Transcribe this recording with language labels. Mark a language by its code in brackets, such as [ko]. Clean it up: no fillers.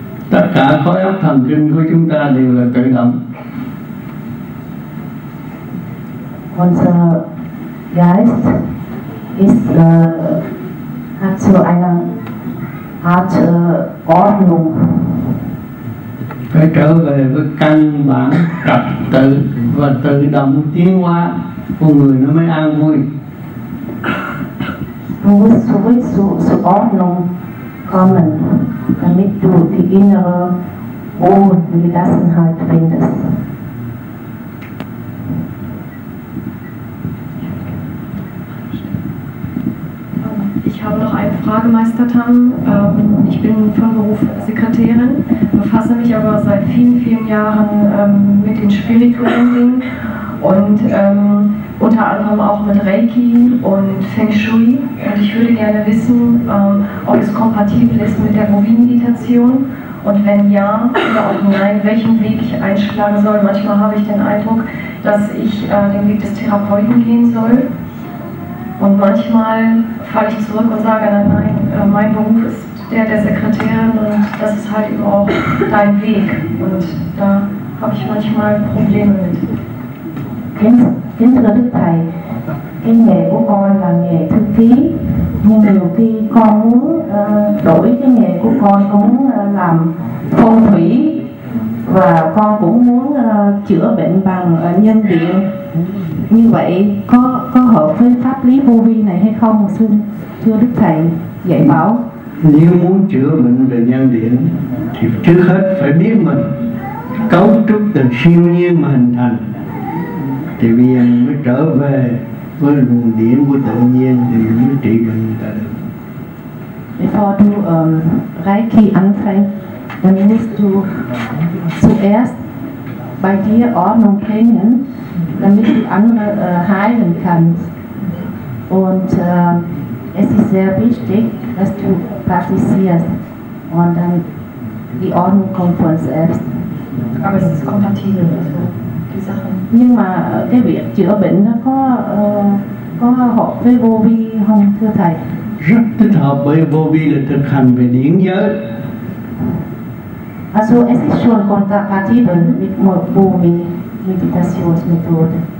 [vi] tất cả khối óc thần kinh của chúng ta đều là tự động. [de] Unser Geist ist hat so eine Art Ordnung. [vi] Phải trở về với căn bản trật tự và tự động tiến hóa của người nó mới an vui. [de] Du musst zurück zur Ordnung kommen, damit du die innere Ruhe und Gelassenheit findest. Ich habe noch eine Frage, Meister Tam. Ich bin von Beruf Sekretärin, befasse mich aber seit vielen, vielen Jahren mit den spirituellen Dingen und unter anderem auch mit Reiki und Feng Shui. Und ich würde gerne wissen, ob es kompatibel ist mit der Bovin-Meditation. Und wenn ja oder auch nein, welchen Weg ich einschlagen soll. Manchmal habe ich den Eindruck, dass ich den Weg des Therapeuten gehen soll. Und manchmal falle ich zurück und sage, nein, nein, mein Beruf ist der Sekretärin und das ist halt eben auch dein Weg. Und da habe ich manchmal Probleme mit. [vi] Kính thưa Đức Thầy, cái nghề của con là nghề thư ký, nhưng nhiều khi con muốn đổi cái nghề của con muốn làm phong thủy, và con cũng muốn chữa bệnh bằng nhân điện. Như vậy có hợp với pháp lý vô vi này hay không? Xin thưa Đức Thầy dạy bảo. Nếu muốn chữa bệnh về nhân điện thì trước hết phải biết mình cấu trúc từ siêu nhiên mà hình thành, thì bây giờ mình mới trở về với nguồn điển của tự nhiên thì mình mới trị bệnh người ta được. [de] Bevor du Reiki anfängst, dann musst du zuerst bei dir Ordnung kennen, damit du andere heilen kannst. Und es ist sehr wichtig, dass du praktizierst und dann die Ordnung kommt von selbst. Aber es ist kompatibel. [vi] Nhưng mà cái việc chữa bệnh nó có có học về vô vi không thưa thầy? Rất thích hợp với vô vi để thực hành về điển giới. [de] Also es ist schon kompatibel mit vô vi Meditationsmethode.